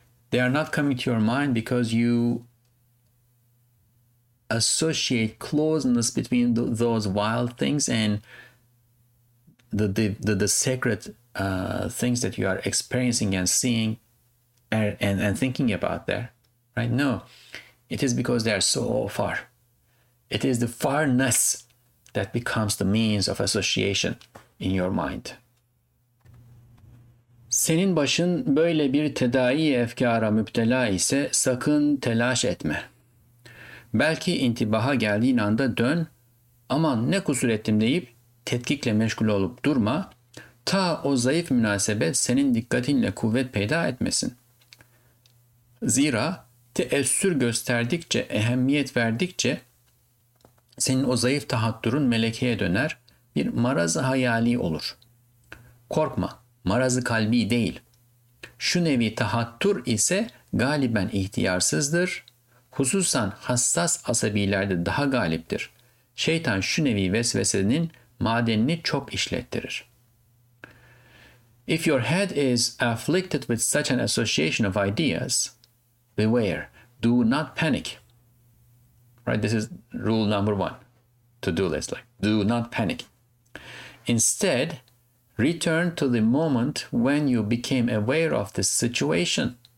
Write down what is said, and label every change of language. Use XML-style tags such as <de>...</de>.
<en>They are not coming to your mind because you associate closeness between those vile things and the sacred things that you are experiencing and seeing and thinking about there, right? No, it is because they are so far. It is the farness that becomes the means of association in your mind.</en> <tr>Senin başın böyle bir tedai efkara müptela ise sakın telaş etme. Belki intibaha geldiğin anda dön, aman ne kusur ettim deyip tetkikle meşgul olup durma, ta o zayıf münasebet senin dikkatinle kuvvet peyda etmesin. Zira teessür gösterdikçe, ehemmiyet verdikçe senin o zayıf tahatturun melekeye döner, bir maraz-ı hayali olur. Korkma, maraz-ı kalbi değil. Şu nevi tahattur ise galiben ihtiyarsızdır. Hususan hassas asabilerde daha galiptir. Şeytan şu nevi vesvesenin madenini çok işlettirir.</tr> <en>If your head is afflicted with such an association of ideas, beware, do not panic. Right, this is rule number one, to-do list, like, do not panic. Instead, return to the moment when you became aware of this situation.</en>